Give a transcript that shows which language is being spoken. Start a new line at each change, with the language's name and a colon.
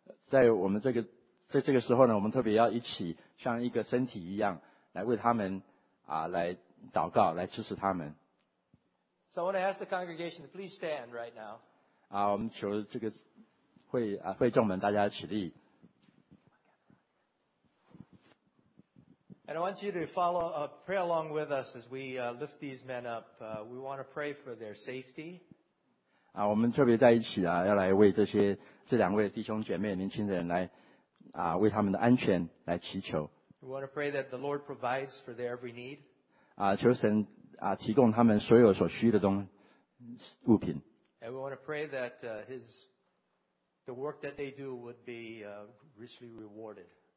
Chinese: 在我们这个。在这个时候呢，我们特别要一起像一个身体一样来为他们来祷告，来支持他们。
English: So I want to ask the congregation to please stand right now.
Chinese: 我们求这个会众们大家起立。
English: And I want you to follow pray along with us as we lift these men up. We want to pray for their safety.
Chinese: 我们特别在一起啊，要来为这两位弟兄姐妹年轻人来。为他们的安全来祈求。
English: We want to pray that the Lord provides for their every need.
Chinese: 求神提供他们所有所需的物品。
English: And we want to pray that the work that they do would be richly rewarded.